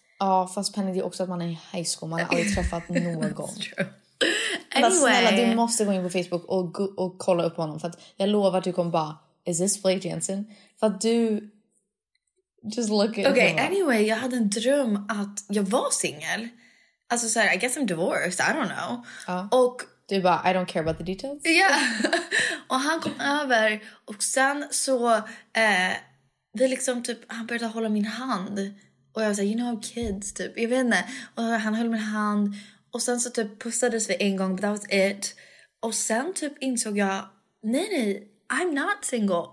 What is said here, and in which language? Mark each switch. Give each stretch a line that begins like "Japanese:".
Swedish: Ja, fast Penny, det är också att man är i
English: high school.
Swedish: Man har aldrig träffat någon.
English: That's true. Anyway.
Swedish: Men snälla, du måste gå in på Facebook och kolla upp honom. För att jag lovar att du kommer bara,
English: is this Blake Jensen?
Swedish: För att du...
English: Just look at him. Okay, anyway,
Swedish: jag hade en dröm att jag var singel. Alltså så här,
English: I guess I'm divorced, I don't know.
Swedish: Ja. Och... Du bara,
English: I don't care about the details.
Swedish: Ja, yeah. Och han kom över. Och sen så, det liksom typ, han började hålla min hand. Och jag var såhär,
English: you know kids,
Swedish: typ. Jag vet inte. Och han höll min hand. Och sen så typ pussades vi en gång,
English: but that was it.
Swedish: Och sen typ insåg jag, nej,
English: I'm not single.